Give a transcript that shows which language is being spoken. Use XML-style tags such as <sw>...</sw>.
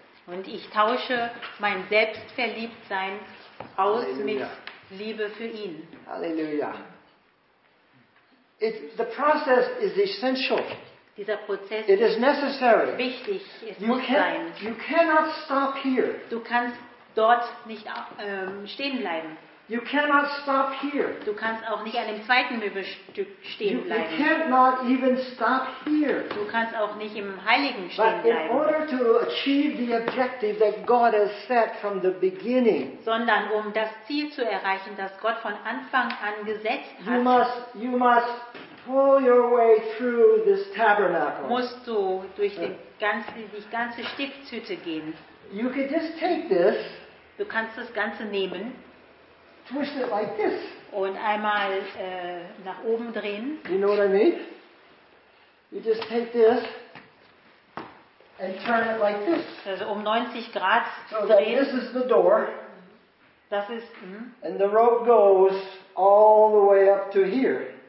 <de>Und ich tausche mein Selbstverliebtsein aus Halleluja. Mit Liebe für ihn. Halleluja.</de> <en>The process is essential.</en> <de>Dieser Prozess</de> <en>it is necessary.</en> <de>Ist wichtig. Es</de> <en>you</en> <de>muss</de> <en>can,</en> <de>sein.</de> <en>You cannot stop here.</en> <de>Du kannst dort nicht stehen bleiben.</de> <en>You cannot stop here.</en> <de>Du kannst auch nicht an dem zweiten Möbelstück stehen bleiben.</de> <en>You can't not even stop here.</en> <de>Du kannst auch nicht im Heiligen stehen bleiben.</de> <en>But in order to achieve the objective that God has set from the beginning,</en> <de>sondern um das Ziel zu erreichen, das Gott von Anfang an gesetzt hat,</de> <en>you must pull your way through this tabernacle.</en> <de>Musst du durch die ganze Stiftshütte gehen.</de> <en>You could just take this.</en> <de>Du kannst das Ganze nehmen.</de> <en>Twist it like this.</en> <de>Und einmal nach oben drehen.</de> <en>You know what I mean? You just take this and turn it like this.</en> <de>Also um 90 Grad so drehen.</de> <en>So this is the door.</en> <de>Das ist.</de> <en>And the rope goes all the way up to here.</en>